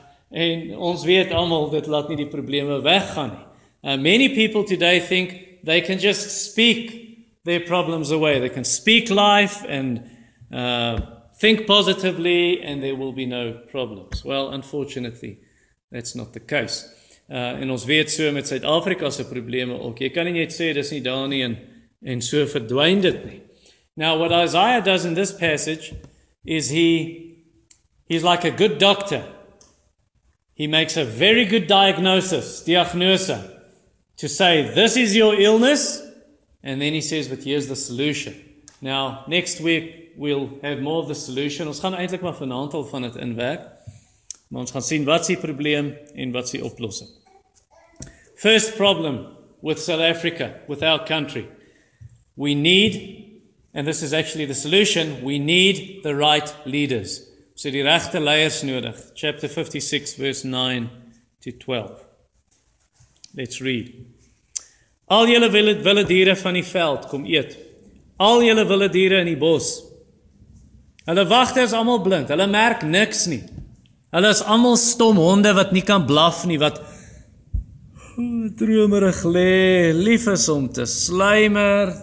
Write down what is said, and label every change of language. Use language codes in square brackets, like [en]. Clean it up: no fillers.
[af] En ons weet allemaal, dit laat nie die probleme weggaan. [en] Many people today think they can just speak their problems away. They can speak life and think positively and there will be no problems. Well, unfortunately, that's not the case. [af] En ons weet so met Suid-Afrikase probleme ook. Jy kan nie net sê, dis nie daar nie, en so verdwijn dit nie. [en] Now, what Isaiah does in this passage, is he's like a good doctor. He makes a very good diagnosis, to say, this is your illness, and then he says, but here's the solution. Now, next week, we'll have more of the solution. [af] Ons gaan eintlik maar vanavond al van het inwerk. Maar ons gaan sien wat is die probleem en wat is die oplossing. [en] First problem with South Africa, with our country. We need, and this is actually the solution, we need the right leaders. [af] So die regte leiers nodig. [en] Chapter 56 verse 9 to 12. Let's read. [af] Al julle wilde diere van die veld, kom eet. Al julle wilde diere in die bos. Hulle wagte is allemaal blind, hulle merk niks nie. Hulle is allemaal stom honde wat nie kan blaf nie, wat dromerig lê, lief is om te sluimer.